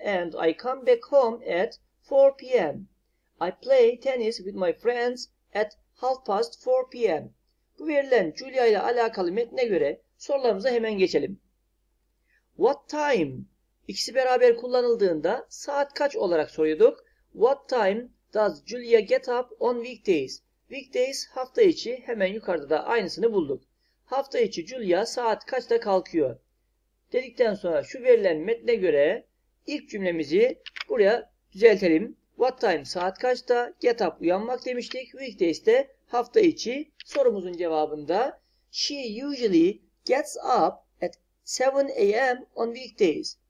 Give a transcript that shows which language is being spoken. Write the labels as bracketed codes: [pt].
[en] and I come back home at 4 p.m. I play tennis with my friends at half past 4 p.m. [tr] Bu verilen Julia ile alakalı metne göre sorularımıza hemen geçelim. [en] What time? [tr] İkisi beraber kullanıldığında saat kaç olarak soruyorduk. [en] What time does Julia get up on weekdays? [tr] Weekdays hafta içi hemen yukarıda da aynısını bulduk. Hafta içi Julia saat kaçta kalkıyor? Dedikten sonra şu verilen metne göre ilk cümlemizi buraya düzeltelim. [en] What time [tr] saat kaçta? [en] Get up [tr] uyanmak demiştik. [en] Weekdays [tr] de hafta içi sorumuzun cevabında [en] She usually gets up at 7 a.m. on weekdays.